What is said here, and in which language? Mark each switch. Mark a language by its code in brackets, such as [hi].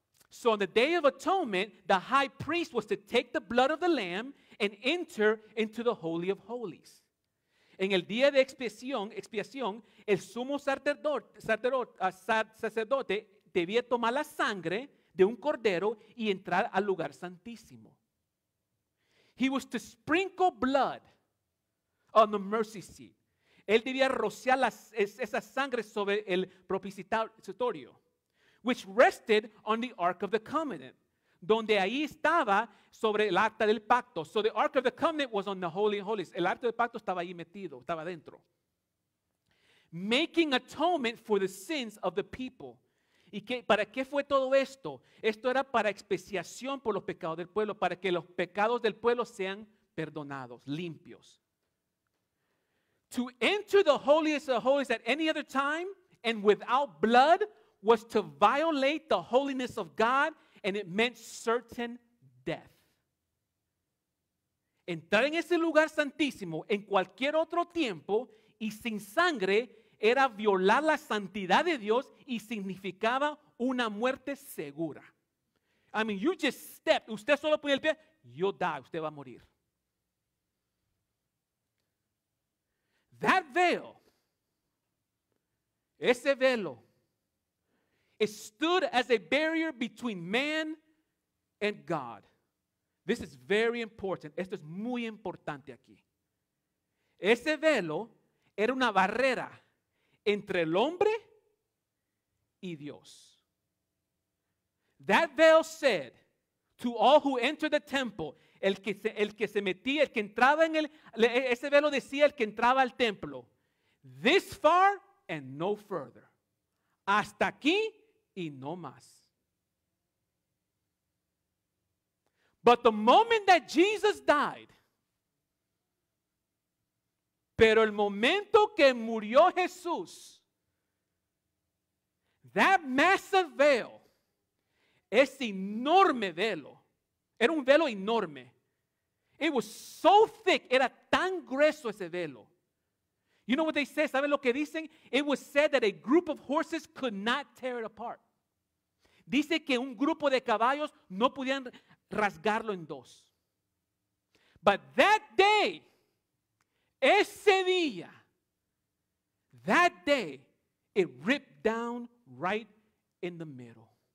[en] So on the Day of Atonement, the high priest was to take the blood of the lamb and enter into the Holy of Holies. [es] En el día de expiación, el sumo sacerdote debía tomar la sangre de un cordero y entrar al lugar santísimo. [en] He was to sprinkle blood on the mercy seat. [es] Él debía rociar esa sangre sobre el propiciatorio, [en] which rested on the Ark of the Covenant, [es] donde ahí estaba sobre el Arca del Pacto. [en] So the Ark of the Covenant was on the Holy of Holies. [es] El Arca del Pacto estaba ahí metido, estaba dentro. [en] Making atonement for the sins of the people. [es] ¿Y qué, para qué fue todo esto? Esto era para expiación por los pecados del pueblo, para que los pecados del pueblo sean perdonados, limpios. [en] To enter the holiest of holies at any other time and without blood was to violate the holiness of God, and it meant certain death. [es] Entrar en ese lugar santísimo en cualquier otro tiempo y sin sangre era violar la santidad de Dios y significaba una muerte segura. [en] I mean, you just step. [es] Usted solo pone el pie, [en] you'll die. [es] Usted va a morir. [en] That veil, [es] ese velo, [en] it stood as a barrier between man and God. This is very important. [es] Esto es muy importante aquí. Ese velo era una barrera entre el hombre y Dios. [en] That veil said to all who entered the temple, [es] ese velo decía el que entraba al templo, [en] this far and no further. [es] Hasta aquí y no más. [en] But the moment that Jesus died, [es] pero el momento que murió Jesús, [en] that massive veil, [es] ese enorme velo, era un velo enorme. [en] It was so thick, [es] era tan grueso ese velo. [en] You know what they say, [es] ¿saben lo que dicen? [en] It was said that a group of horses could not tear it apart. [es] Dice que un grupo de caballos no podían rasgarlo en dos. [en] But that day, [es] ese día, [en] that day, it ripped down right in the middle.